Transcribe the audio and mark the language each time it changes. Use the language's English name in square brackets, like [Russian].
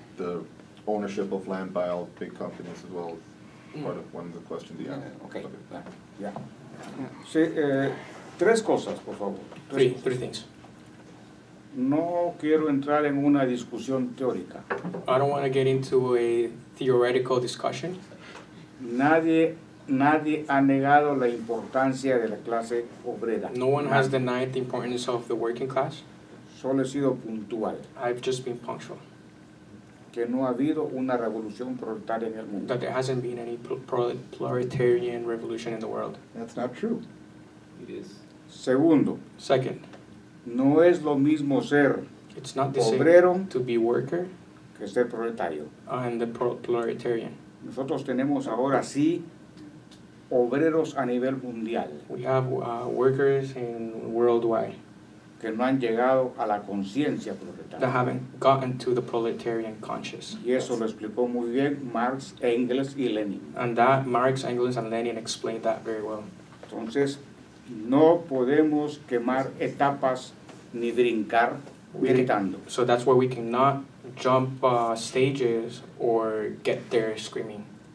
[English] The ownership of land by all big companies as well. Part of one of the questions. Yeah. Okay. Yeah. Yeah. [Spanish] Sí. Tres cosas, por favor. [English] Three things. [Spanish] No quiero entrar en una discusión teórica. [English] I don't want to get into a theoretical discussion. [Spanish] Nadie ha negado la importancia de la clase obrera. [English] No one has denied the importance of the working class. [Spanish] Solo he sido puntual. [English] I've just been punctual. [Spanish] Que no ha habido una revolución proletaria en el mundo. [English] That there hasn't been any proletarian revolution in the world. That's not true. It is. [Spanish] Segundo. [English] Second. [Spanish] No es lo mismo ser [English] it's not the [Spanish] obrero [English] same to be worker [Spanish] que ser proletario. [English] And the proletarian. [Spanish] Nosotros tenemos ahora sí obreros a nivel mundial. [English] We have workers in worldwide. [Spanish] Que no han llegado a la conciencia proletaria. [English] That haven't gotten to the proletarian conscious. [Spanish] Y eso lo explicó muy bien Marx, Engels y Lenin. [English] And that Marx, Engels and Lenin explained that very well. [Spanish] Entonces, no podemos quemar etapas ni brincar gritando. [English] So that's where we cannot jump stages or get there screaming.